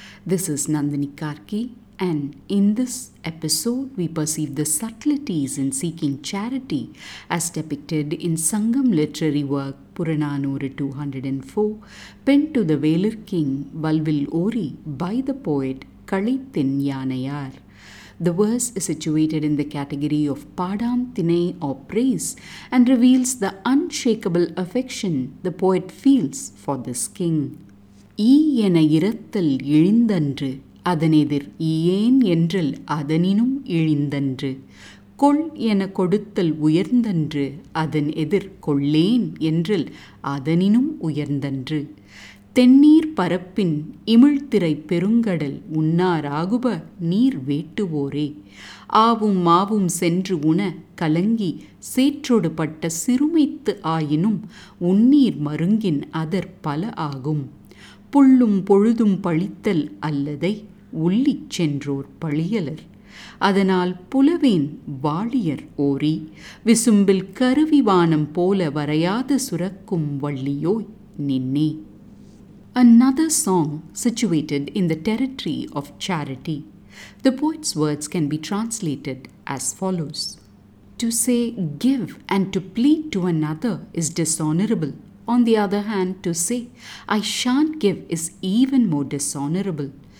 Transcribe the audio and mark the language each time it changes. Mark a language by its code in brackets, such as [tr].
[en] This is Nandini Karki, and in this episode we perceive the subtleties in seeking charity as depicted in Sangam literary work Puranaanooru 204, penned to the Velir King Valvil Ori by the poet Kazhaithin Yaanaiyaar. The verse is situated in the category of Paadaan Thinai or praise and reveals the unshakable affection the poet feels for this king. [ta] ஈ என இரத்தல் இழிந்தன்று அதனெதிர் ஈயேன் என்றல் அதனினும் இழிந்தன்று கொள் என கொடுத்தல் உயர்ந்தன்று அதன் எதிர் கொள்ளேன் என்றல் அதனினும் உயர்ந்தன்று தென்னீர் பரப்பின் இமிழ்திரை பெருங்கடல் உன்னாராகுப நீர் வேட்டுவோரே ஆவும் மாவும் சென்று உண கலங்கி சேற்றொடுபட்ட சிறுமைத்து ஆயினும் உன்னீர் மருங்கின் அதர் பல ஆகும் புள்ளும் பொழுதும் பழித்தல் அல்லதை உள்ளி சென்றோர் பழியலர் அதனால் புலவேன் வாழியர் ஓரி விசும்பில் கருவி வானம் போல வரையாத சுரக்கும் வள்ளியோய் நின்னே. [en] Another song situated in the territory of charity. The poet's words can be translated as follows. To say give and to plead to another is dishonorable. On the other hand, to say I shan't give is even more dishonorable.